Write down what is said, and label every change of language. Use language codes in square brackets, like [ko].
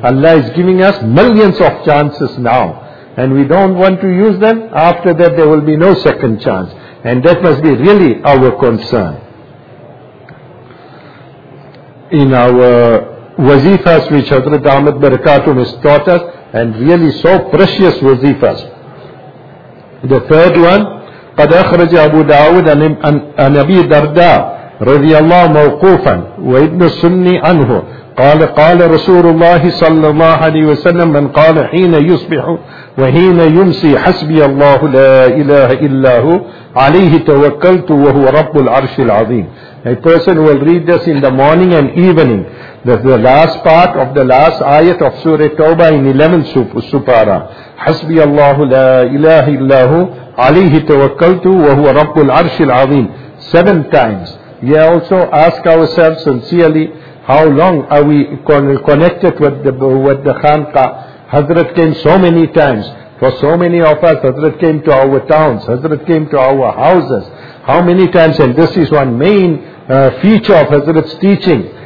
[en] Allah is giving us millions of chances now. And we don't want to use them. After that, there will be no second chance. And that must be really our concern. In our wazifas, which Hazrat Ahmed Barakatum has taught us, and really so precious wazifas. The third one, [ar] قَدْ أَخْرَجَ أَبُو دَعُودَ عَنْ أَبِي دَرْدَى رَضِيَ اللَّهُ مَوْقُوفًا وَإِبْنُ السُّنِّ عَنْهُ قال قال رسول الله صلى الله عليه وسلم من قال حين يصبح وحين يمسي حسبي الله لا إله إلا هو عليه توكلت وهو رب العرش العظيم. [en] A person will read this in the morning and evening. That's the last part of the last ayat of Surah Tawbah in 11th Supara. [ar] حسبي الله لا إله إلا هو عليه توكلت وهو رب العرش العظيم. [en] 7 times. We also ask ourselves sincerely, how long are we connected with the Khanqa? Hazrat came so many times. For so many of us, Hazrat came to our towns. Hazrat came to our houses. How many times? And this is one main feature of Hazrat's teaching.